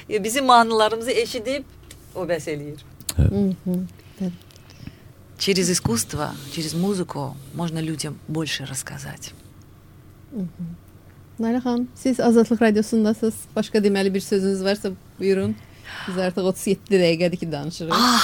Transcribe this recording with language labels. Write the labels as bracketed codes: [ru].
[az] Bizim mahnılarımızı eşidib, o bəs eləyir. [ru] Через искусство, через музыку можно людям больше рассказать. [az] Nailə xanım, siz Azadlıq Radiosundasınız. Başqa deməli bir sözünüz varsa buyurun. Biz artıq 37 dəqiqədir ki danışırıq.